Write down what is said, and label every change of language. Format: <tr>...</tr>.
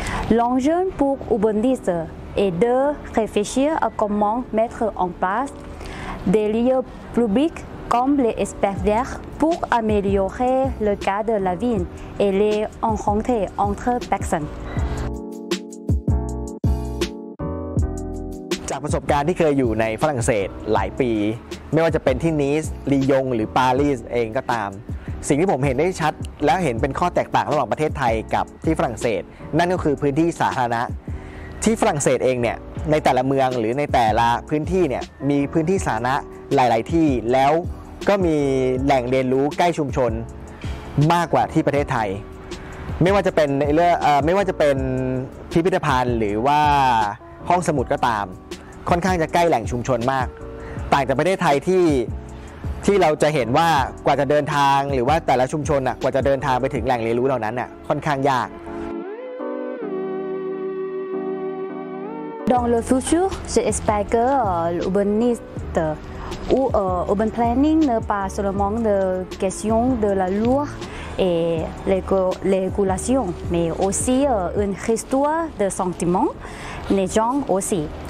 <fr>L'enjeu pour urbaniste est de réfléchir à comment mettre en place des lieux publics comme les espaces verts pour améliorer le cadre de la ville et les rencontrer entre personnes.</fr> <th>จากประสบการณ์ที่เคยอยู่ในฝรั่งเศสหลายปีไม่ว่าจะเป็นที่นีสลียงหรือปารีสเองก็ตามสิ่งที่ผมเห็นได้ชัดแล้วเห็นเป็นข้อแตกต่างระหว่างประเทศไทยกับที่ฝรั่งเศสนั่นก็คือพื้นที่สาธารณะที่ฝรั่งเศสเองเนี่ยในแต่ละเมืองหรือในแต่ละพื้นที่เนี่ยมีพื้นที่สาธารณะหลายๆที่แล้วก็มีแหล่งเรียนรู้ใกล้ชุมชน มากกว่าที่ประเทศไทยไม่ว่าจะเป็นในเรื่องไม่ว่าจะเป็นพิพิธภัณฑ์หรือว่าห้องสมุดก็ตามค่อนข้างจะใกล้แหล่งชุมชนมากต่างจากประเทศไทยที่ ที่เราจะเห็นว่ากว่าจะเดินทางหรือว่าแต่ละชุมชนกว่าจะเดินทางไปถึงแหล่งเรียนรู้เหล่านั้นค่อนข้างยาก</th> <fr>Dans le futur, j'espère que l'urbaniste ou urban planning ne pas seulement de question de la loi et régulation, mais aussi une histoire de sentiment des gens aussi.</fr>